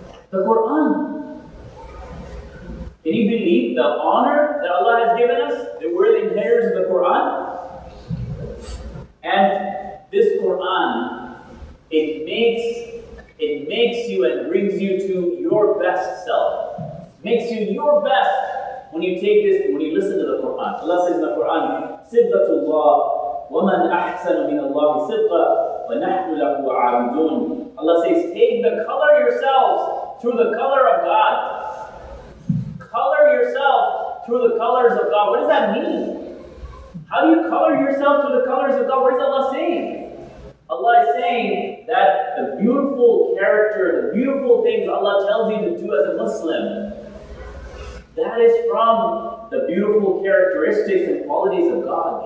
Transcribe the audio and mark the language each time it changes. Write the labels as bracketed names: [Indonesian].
[English] The Quran. Can you believe the honor that Allah has given us, that we're the inheritors of the Quran? And this Quran, it makes It makes you and brings you to your best self. Makes you your best when you take this, when you listen to the Quran. Allah says in the Quran, [Arabic] Sibqatullah, وَمَنْ أَحْسَنُ مِنَ اللَّهِ سِبْقًا وَنَحْنُ لَهُ عَابِدُونَ. [English] Allah says, take the color yourselves through the color of God. Color yourself through the colors of God. What does that mean? How do you color yourself through the colors of God? What is Allah saying? Allah is saying that the beautiful character, the beautiful things Allah tells you to do as a Muslim, that is from the beautiful characteristics and qualities of God.